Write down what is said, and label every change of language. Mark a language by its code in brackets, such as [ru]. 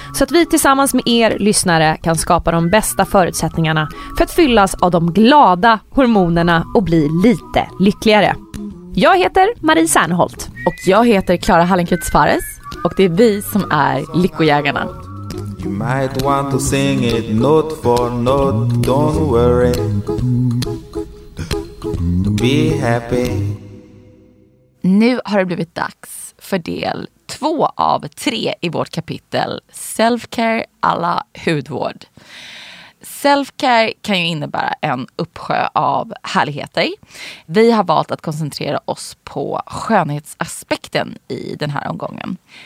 [sv] Så att vi tillsammans med er lyssnare kan skapa de bästa förutsättningarna för att fyllas av de glada hormonerna och bli lite lyckligare. Jag heter Marie Serneholt. Och jag heter Clara Hallenkrutz Fares. Och det är vi som är Lyckojägarna. [en] You might want to sing it note for note, don't worry. Be happy. [sv] Nu har det blivit dags för del 2 av 3 i vårt kapitel Selfcare à la hudvård. Selfcare kan ju innebära en uppsjö av härligheter. Vi har valt att koncentrera oss på skönhetsaspekten i den här omgången.